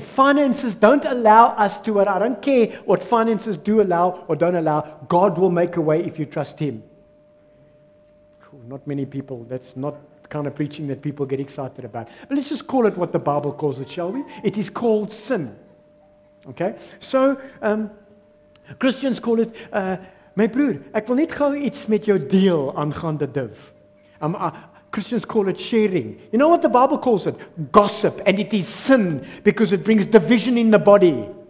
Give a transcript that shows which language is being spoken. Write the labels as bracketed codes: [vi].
[en] Finances don't allow us to, and I don't care what finances do allow or don't allow. God will make a way if you trust Him. Not many people, that's not kind of preaching that people get excited about. But let's just call it what the Bible calls it, shall we? It is called sin. Okay? So, Christians call it, [af] my broer, ek wil net gou iets met jou deel aangaande div. [en] Christians call it sharing. You know what the Bible calls it? Gossip. And it is sin because it brings division in the body.